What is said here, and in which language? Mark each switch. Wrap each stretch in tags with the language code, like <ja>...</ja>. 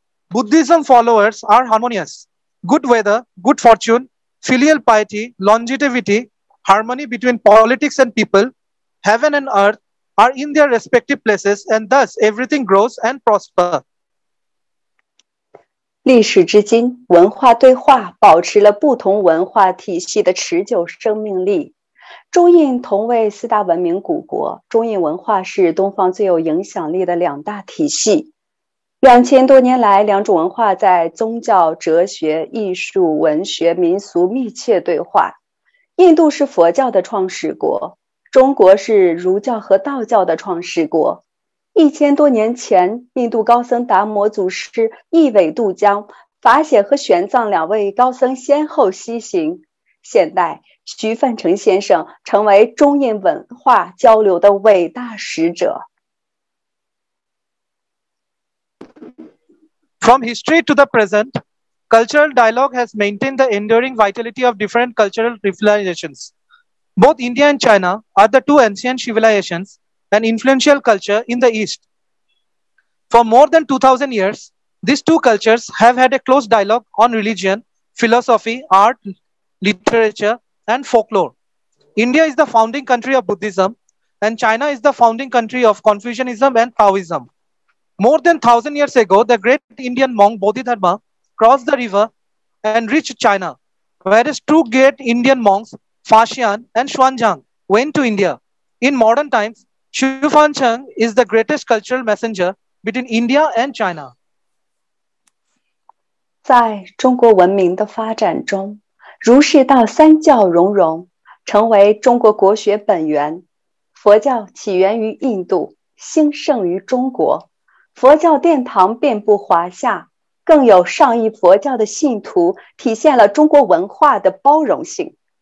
<en>Buddhism followers are harmonious. Good weather, good fortune, filial piety, longevity, harmony between politics and people, heaven and earth,are in their respective places, and thus everything grows and prospers.</en> <zh>历史至今，文化对话保持了不同文化体系的持久生命力。中印同为四大文明古国，中印文化是东方最有影响力的两大体系。两千多年来，两种文化在宗教、哲学、艺术、文学、民俗密切对话。印度是佛教的创始国。中国是儒教和道教的创始国。一千多年前，印度高僧达摩祖师一苇渡江，法显和玄奘两位高僧先后西行。现代，徐范成先生成为中印文化交流的伟大使者。</zh> <en>From history to the present, cultural dialogue has maintained the enduring vitality of different cultural civilizations. Both India and China are the two ancient civilizations and influential culture in the East. For more than 2,000 years, these two cultures have had a close dialogue on religion, philosophy, art, literature, and folklore. India is the founding country of Buddhism, and China is the founding country of Confucianism and Taoism. More than 1,000 years ago, the great Indian monk Bodhidharma crossed the river and reached China, whereas two great Indian monks, Faxian and Xuanzang, went to India. In modern times, XuFancheng is the greatest cultural messenger between India and China.</en> <zh>在中国文明的发展中，儒释道三教融融，成为中国国学本源。佛教起源于印度，兴盛于中国。佛教殿堂遍布华夏，更有上亿佛教的信徒，体现了中国文化的包容性。</zh>